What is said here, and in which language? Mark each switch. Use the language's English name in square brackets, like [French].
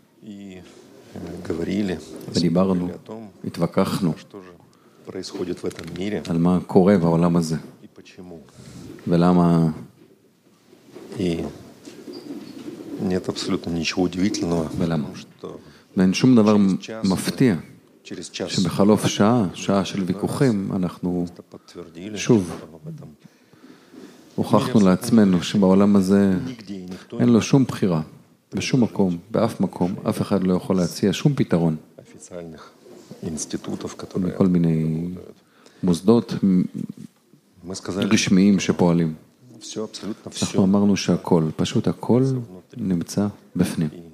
[Russian] И говорили... Подибарну. И твакахну. Что же... происходит в этом мире. [Hebrew] על מה קורה בעולם הזה. [Russian] И почему? [Hebrew] ולמה? [Russian] И нет абсолютно ничего удивительного. [Hebrew] ולמה? ואין שום דבר מפתיע. שבחלוף שעה, שעה של ויכוחים, אנחנו שוב הוכחנו לעצמנו שבעולם הזה אין לו שום בחירה. בשום מקום, באף מקום, אף אחד לא יכול להציע שום פתרון. [Russian] официальных институтов, которые [Hebrew] מכל מיני מוסדות רשמיים שפועלים. אנחנו אמרנו שהכל, פשוט הכל נמצא בפנים.